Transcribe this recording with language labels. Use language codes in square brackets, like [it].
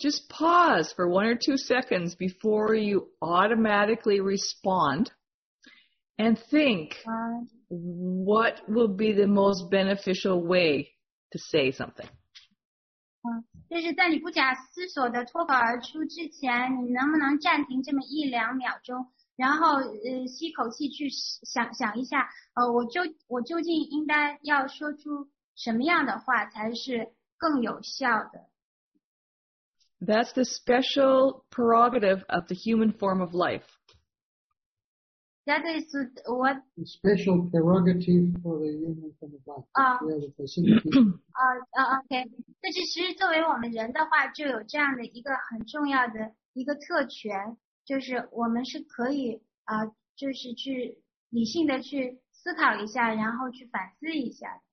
[en] pause for 1 or 2 seconds before you automatically respond and think what will be the most beneficial way to say something. [zh] 就是在你不假思索的脱口而出之前，你能不能暂停这么一两秒钟，然后吸口气去想一下，我究竟应该要说出什么样的话才是更有效的？ [en] That's the special prerogative of the human form of life. That is what? A special prerogative for the human from above. Yeah, the facility. Okay. [zh] 但是其实作为我们人的话，就有这样的一个很重要的一个特权，就是我们是可以啊、就是去理性的去思考一下，然后去反思一下。